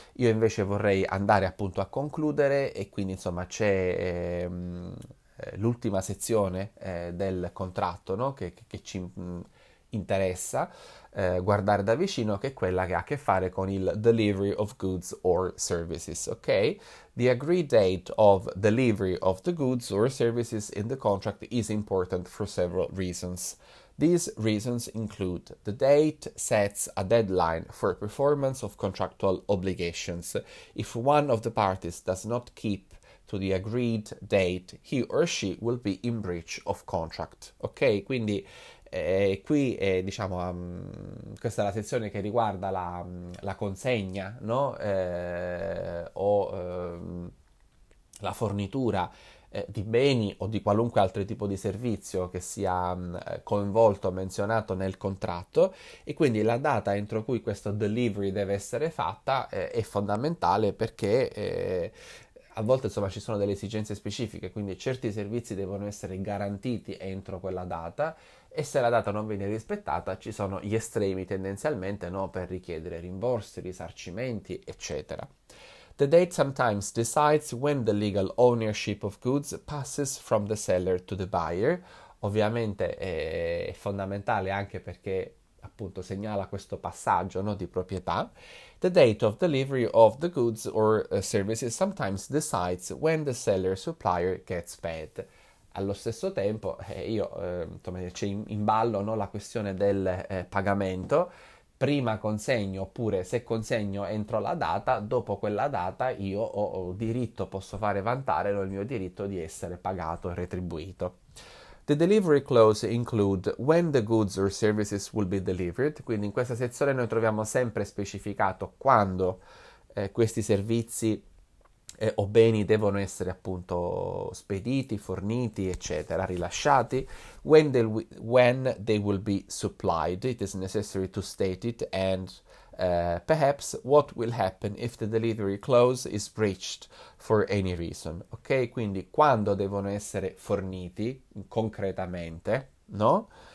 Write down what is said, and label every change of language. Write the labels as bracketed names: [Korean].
[Italian] Io invece vorrei andare appunto a concludere e quindi insomma c'è l'ultima sezione del contratto, no? Che ci interessa guardare da vicino, che è quella che ha a che fare con il [English] delivery of goods or services, [Italian] ok? [English] The agreed date of delivery of the goods or services in the contract is important for several reasons. These reasons include the date sets a deadline for performance of contractual obligations. If one of the parties does not keep to the agreed date, he or she will be in breach of contract, ok? [Italian] Quindi qui è, diciamo, questa è la sezione che riguarda la consegna, no? O la fornitura di beni o di qualunque altro tipo di servizio che sia coinvolto o menzionato nel contratto, e quindi la data entro cui questo delivery deve essere fatta è fondamentale perché a volte, insomma, ci sono delle esigenze specifiche, quindi certi servizi devono essere garantiti entro quella data e se la data non viene rispettata, ci sono gli estremi tendenzialmente, no, per richiedere rimborsi, risarcimenti, eccetera. [English] The date sometimes decides when the legal ownership of goods passes from the seller to the buyer. [Italian] Ovviamente è fondamentale anche perché appunto segnala questo passaggio, no, di proprietà. [English] The date of delivery of the goods or services sometimes decides when the seller supplier gets paid. [Italian] Allo stesso tempo, io c'è in ballo, no, la questione del pagamento. Prima consegno, oppure se consegno entro la data, dopo quella data io ho diritto, posso fare vantare, no, il mio diritto di essere pagato e retribuito. [English] The delivery clause include when the goods or services will be delivered. [Italian] Quindi in questa sezione noi troviamo sempre specificato quando questi servizi o beni devono essere appunto spediti, forniti, eccetera, rilasciati. [English] When they will be supplied, it is necessary to state it, and perhaps what will happen if the delivery clause is breached for any reason. [Italian] Ok, quindi quando devono essere forniti concretamente, no?